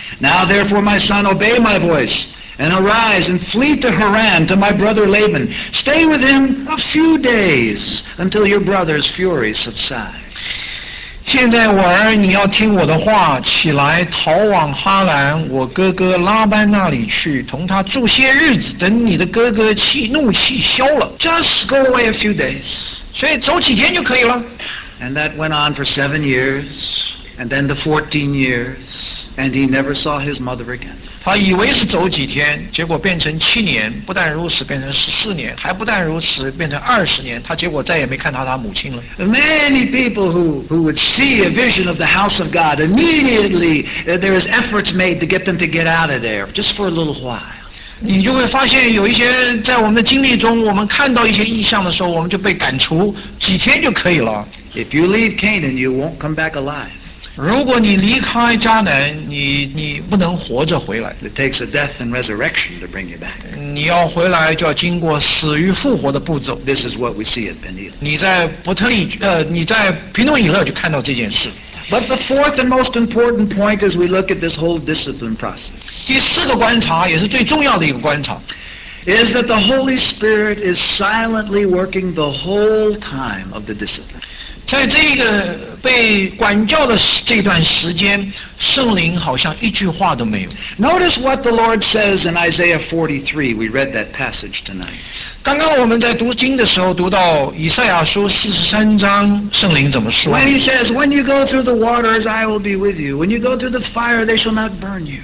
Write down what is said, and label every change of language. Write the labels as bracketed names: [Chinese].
[English] Now therefore my son, obey my voice, and arise and flee to Haran, to my brother Laban. Stay with him a few days until your brother's fury subsides. [Chinese] 现在我儿，你要听我的话，起来逃往哈兰我哥哥拉班那里去，同他住些日子，等你的哥哥气怒气消了。 [English] Just go away a few days. [Chinese] 所以走几天就可以了。 [English] And that went on for 7 years, and then the 14 years, and he never saw his mother again. [Chinese] 他以为是走几天，结果变成七年，不但如此变成14年，还不但如此变成20年，他结果再也没看到他母亲了。 [English] Many people who would see a vision of the house of God, immediately there is efforts made to get them to get out of there, just for a little while. [Chinese] 你就会发现有一些在我们的经历中，我们看到一些异象的时候，我们就被赶出几天就可以了。 [English] If you leave Canaan, you won't come back alive. [Chinese] 如果你离开迦南，你不能活着回来。 [English] It takes a death and resurrection to bring you back. [Chinese] 你要回来就要经过死与复活的步骤。 [English] This is what we see at Peniel. [Chinese] 你在平诺以勒就看到这件事。 [English] But the fourth and most important point as we look at this whole discipline process, [Chinese] 第四个观察也是最重要的一个观察 [English] is that the Holy Spirit is silently working the whole time of the discipline. [Chinese] 在这个被管教的这段时间，圣灵好像一句话都没有。 [English] Notice what the Lord says in Isaiah 43. We read that passage tonight. [Chinese] 刚刚我们在读经的时候读到以赛亚书43章，圣灵怎么说？ [English] When he says, when you go through the waters, I will be with you. When you go through the fire, they shall not burn you.